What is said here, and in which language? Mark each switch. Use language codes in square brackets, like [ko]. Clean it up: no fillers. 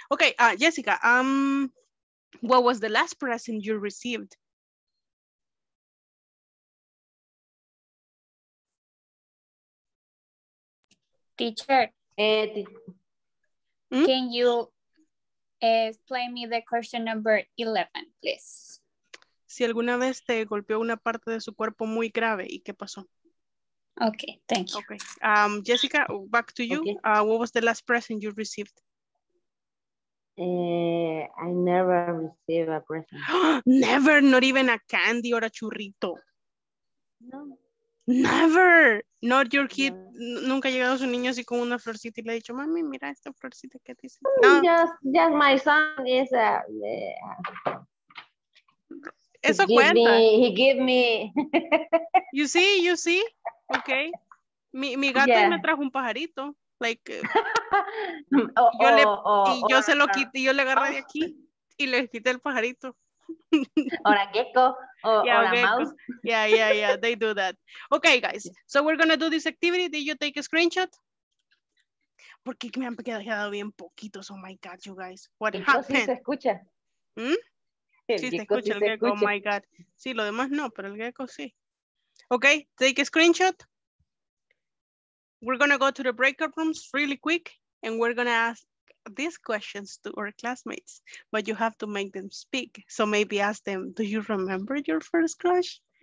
[en] Okay, Jessica, what was the last present you received? Teacher, can you explain me the question number 11, please? [es] Si alguna vez te golpeó una parte de su cuerpo muy grave, ¿y qué pasó? [en] Okay, thank you. Okay, Jessica, back to you. Okay. What was the last present you received? I never received a present. Never, not even a candy or a churrito. No. Never, not your kid. No. [es] Nunca ha llegado su niño así con una florcita y le ha dicho, mami, mira esta florcita que dice. [en] No. Just my son is a. [es] Eso cuenta. [en] He gave me. [es] You see, okay. Mi gato yeah. Me trajo un pajarito. Like, yo le agarré de aquí y le quité el pajarito. [en] Or a gecko, or a mouse. Yeah, they do that. Okay, guys, so we're going to do this activity. Did you take a screenshot? Porque me han quedado bien poquitos, oh my God, you guys. What happened? [es] Sí se escucha. Sí se escucha el gecko, oh my God. Sí, lo demás no, pero el gecko sí. [en] Okay, take a screenshot. We're going to go to the breakout rooms really quick, and we're going to ask these questions to our classmates, but you have to make them speak. So maybe ask them, do you remember your first crush?